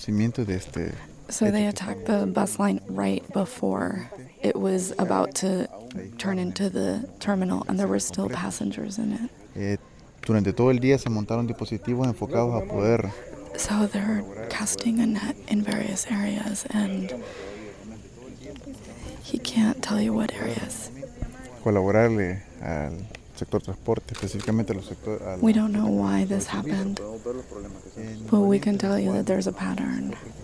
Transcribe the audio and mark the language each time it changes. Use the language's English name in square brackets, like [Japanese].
[English] So they attacked the bus line right before it was about to turn into the terminal, and there were still passengers in it. [Spanish] Durante todo el día se montaron dispositivos enfocados a poder. [English] So they're casting a net in various areas, and he can't tell you what areas. We don't know why this happened, but we can tell you that there's a pattern.